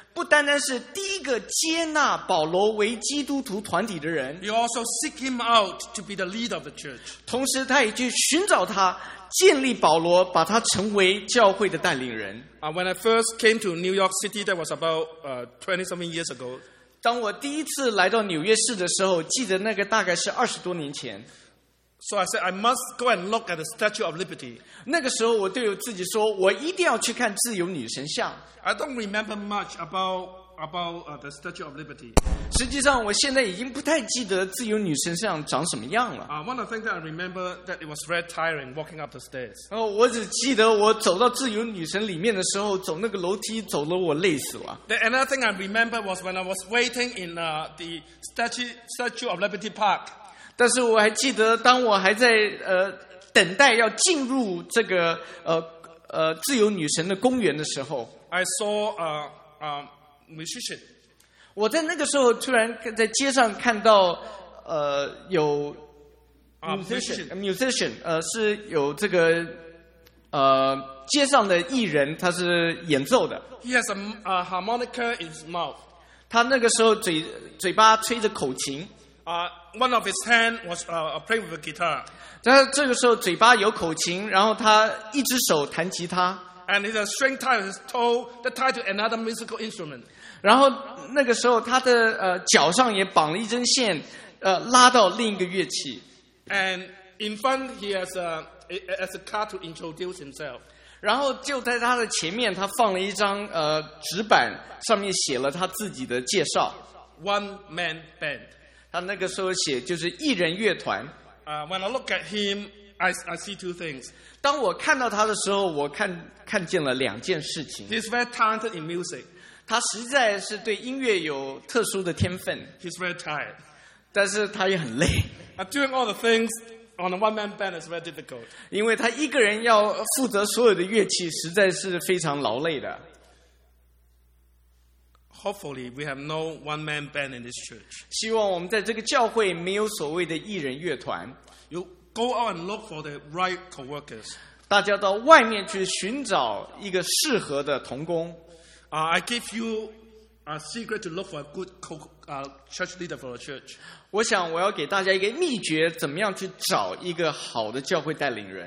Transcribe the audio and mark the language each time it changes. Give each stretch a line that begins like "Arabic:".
Chinese: 不单单是第一个接纳保罗为基督徒团体的人
English: he also seek him out to be the leader of the church.
Chinese: 同时他也去寻找他，建立保罗，把他成为教会的带领人。
English: When I first came to New York City, that was about 20-something years ago.
Chinese: 当我第一次来到纽约市的时候，记得那个大概是二十多年前。
English: So I said, I must go and look at the Statue of Liberty.
Chinese: 那个时候我对我自己说，我一定要去看自由女神像。
English: I don't remember much about the Statue of Liberty.
Chinese: 实际上我现在已经不太记得自由女神像长什么样了。
English: One of the things that I remember that it was very tiring walking up the stairs.
Chinese: 我只记得我走到自由女神里面的时候，走那个楼梯走了我累死了。
English: Then another thing I remember was when I was waiting in the Statue of Liberty Park.
Chinese: 但是我还记得当我还在等待要进入这个自由女神的公园的时候
English: I saw a musician
Chinese: 我在那个时候突然在街上看到有
English: musician
Chinese: 是有这个街上的艺人他是演奏的
English: He has a harmonica in his mouth
Chinese: 他那个时候嘴巴吹着口琴
English: One of his hand was playing with a guitar.
Chinese: 他这个时候嘴巴有口琴，然后他一只手弹吉他。
English: And his string tied his toe that tied to another musical instrument.
Chinese: 然后那个时候他的脚上也绑了一根线，拉到另一个乐器。
English: And in front he has a card to introduce himself.
Chinese: 然后就在他的前面，他放了一张纸板，上面写了他自己的介绍。
English: One man band.
Chinese: 他那个时候写就是艺人乐团。
English: When I look at him, I see two things.
Chinese: 当我看到他的时候，我看见了两件事情。
English: He's very talented in music.
Chinese: 他实在是对音乐有特殊的天分。
English: He's very tired.
Chinese: 但是他也很累。
English: Doing all the things on a one-man band is very difficult.
Chinese: 因为他一个人要负责所有的乐器，实在是非常劳累的。
English: Hopefully, we have no one-man band in this church.
Chinese: 希望我们在这个教会没有所谓的艺人乐团。
English: You go out and look for the right co-workers.
Chinese: 大家到外面去寻找一个适合的同工。
English: I give you a secret to look for a good church leader for the church.
Chinese: 我想我要给大家一个秘诀，怎么样去找一个好的教会带领人。